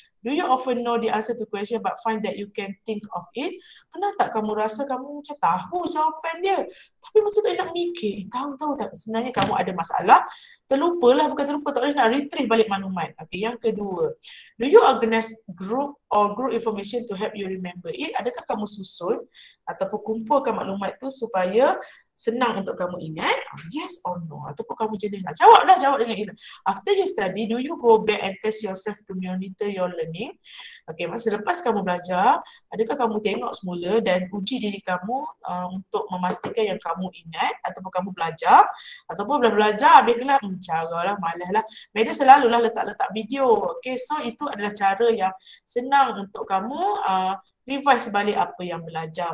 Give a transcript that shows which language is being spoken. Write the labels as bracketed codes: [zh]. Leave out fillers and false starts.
[en] Do you often know the answer to question but find that you can think of it? [ms] Pernah tak kamu rasa kamu macam tahu jawapan dia? Tapi macam tak nak mikir, tahu-tahu tak. Sebenarnya kamu ada masalah, terlupalah, bukan terlupa, tak boleh nak retrieve balik maklumat. Okay, yang kedua, [en] do you organize group or group information to help you remember it? [ms] Adakah kamu susun ataupun kumpulkan maklumat tu supaya senang untuk kamu ingat? [en] Yes or no? [ms] Ataupun kamu jenis nak? Jawablah, jawab dengan ini. [en] After you study, do you go back and test yourself to monitor your learning? [ms] Okay, masa lepas kamu belajar, adakah kamu tengok semula dan uji diri kamu untuk memastikan yang kamu ingat ataupun kamu belajar? Ataupun belum belajar, habis gelap, caralah, malahlah. Media selalulah letak-letak video. Okay, so itu adalah cara yang senang untuk kamu revise balik apa yang belajar.